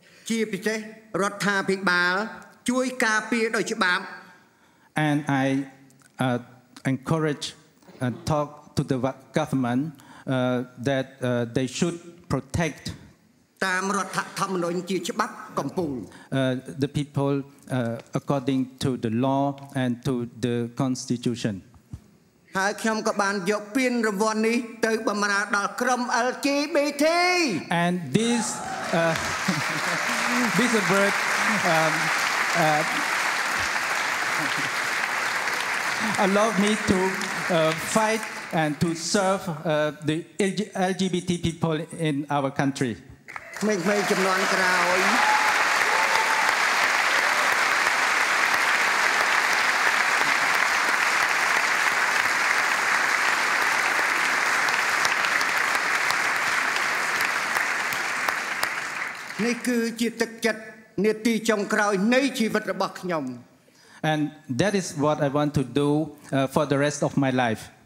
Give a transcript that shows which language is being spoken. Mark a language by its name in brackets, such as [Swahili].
[Khmer] ជាពិសេសរដ្ឋាភិបាលជួយការពារដោយច្បាប់ [English] and I encourage and talk to the government that they should protect [Khmer] តាមរដ្ឋធម្មនុញ្ញជាច្បាប់កំពូល [English] the peopleaccording to the law and to the constitution [Khmer] ហើយខ្ញុំក៏បានយកពានរង្វាន់នេះទៅបម្រើដល់ក្រុម LGBT [English] and this this award allow me to fight and to serve the LGBT people in our country [Khmer] ក្មេងជំនាន់ក្រោយនេះគឺជាទឹកចិត្តនាទីចុងក្រោយនៃជីវិតរបស់ខ្ញុំ [English] And that is what I want to do for the rest of my life